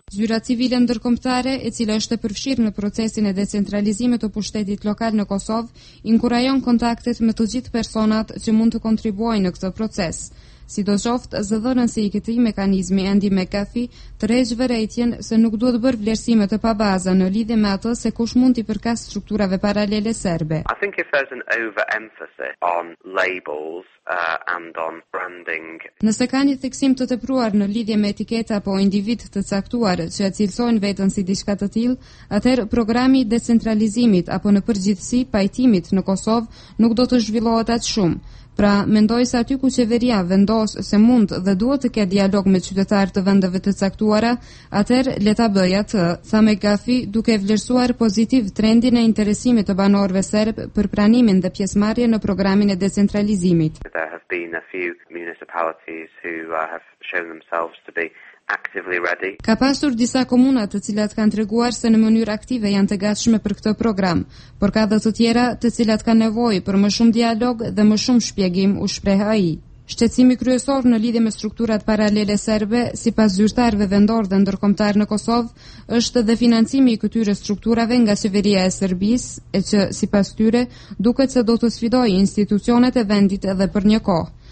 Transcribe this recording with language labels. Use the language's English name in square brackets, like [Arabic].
[Albanian] Zyra civile ndërkombëtare, e cila është e përfshirë në procesin e decentralizimit të pushtetit lokal në Kosovë, inkurajon kontaktet me të gjithë personat që mund të kontribuojnë në këtë proces. Sidoqoftë, zëdhënën se i këtë i mekanizmi Andy McCarthy të rejgjë vërejtjen se nuk duhet bërë vlerësime të pabaza në lidhje me atë se kush mund t'i përkas strukturave paralele serbe. [English] I think if there's an overemphasis on labels and on branding. [Albanian] Nëse ka një theksim të tepruar në lidhje me etiketa apo individ të caktuar që e cilësojnë vetën si diçka të tillë, atëherë programi i decentralizimit apo në përgjithësi pajtimit në Kosovë nuk do të zhvillohet aq shumë. Pra, mendoj se aty ku qeveria vendos se mund dhe duhet të ketë dialog me qytetarët e vendeve të caktuara, atëherë le ta bëj atë, tha McGaffey, duke vlerësuar pozitiv trendin e interesimit të banorëve serb për pranimin dhe pjesëmarrje në programin e decentralizimit. [English] There have been a few municipalities who have shown themselves to be actively ready. [Albanian] Ka pasur disa komuna të cilat kanë treguar se në mënyrë aktive janë të gatshme për këtë program, por ka dhe të tjera të cilat kanë nevojë për më shumë dialog dhe më shumë shpjegim, u shpreh ai. Shqetësimi kryesor në lidhje me strukturat paralele serbe, sipas zyrtarëve vendor dhe ndërkombëtar në Kosovë, është edhe financimi i këtyre strukturave nga qeveria e Serbisë, e që sipas tyre duket se do të sfidojë institucionet e vendit edhe për një kohë.